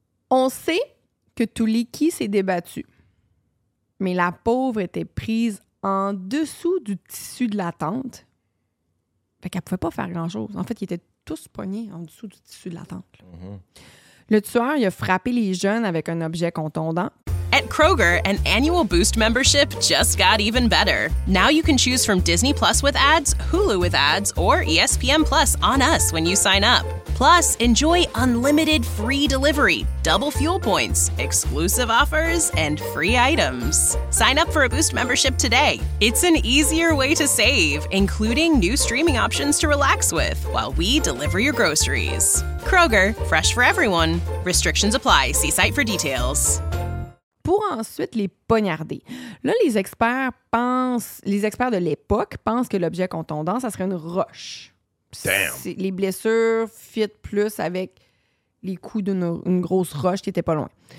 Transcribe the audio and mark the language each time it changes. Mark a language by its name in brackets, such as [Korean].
[French] On sait que Tuliki s'est débattue. Mais la pauvre était prise en dessous du tissu de la tente. Fait qu'elle pouvait pas faire grand-chose. En fait, ils étaient tous pognés en dessous du tissu de la tente. Mm-hmm. Le tueur, il a frappé les jeunes avec un objet contondant. [English] At Kroger, an annual Boost membership just got even better. Now you can choose from Disney Plus with ads, Hulu with ads, or ESPN Plus on us when you sign up. Plus, enjoy unlimited free delivery, double fuel points, exclusive offers, and free items. Sign up for a Boost membership today. It's an easier way to save, including new streaming options to relax with while we deliver your groceries. Kroger, fresh for everyone. Restrictions apply. See site for details. [French] Pour ensuite les poignarder. Là, les experts de l'époque pensent que l'objet contondant, ça serait une roche. [English] Damn. [French] Les blessures fit plus avec les coups d'une une grosse roche qui était pas loin.